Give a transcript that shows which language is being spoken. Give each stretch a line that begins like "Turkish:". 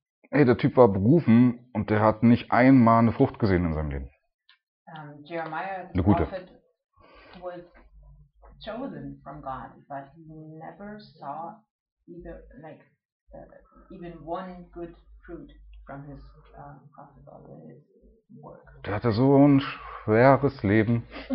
German: Hey, der Typ war berufen und der hat nicht einmal eine Frucht gesehen in seinem Leben.
English: Jeremiah, the prophet, was chosen from God, but he never saw either like even one good fruit from his prophet or his work.
German: Der hatte so ein schweres Leben.